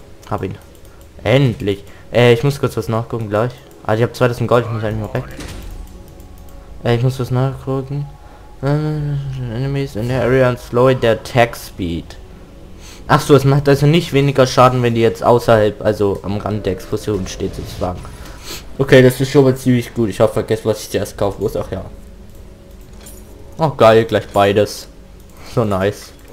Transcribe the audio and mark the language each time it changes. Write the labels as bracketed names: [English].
[German] Hab ihn. Endlich. Ich muss kurz was nachgucken gleich. Also ich habe 2000 Gold, ich muss eigentlich mal weg. Ich muss was nachgucken. [English] Enemies in the area and slow their attack speed. [German] Ach so, es macht also nicht weniger Schaden, wenn die jetzt außerhalb, also am Rand der Explosion steht sozusagen. Okay, das ist schon mal ziemlich gut. Ich habe vergessen, was ich zuerst kaufen muss. Ach ja. Oh geil, gleich beides. So nice.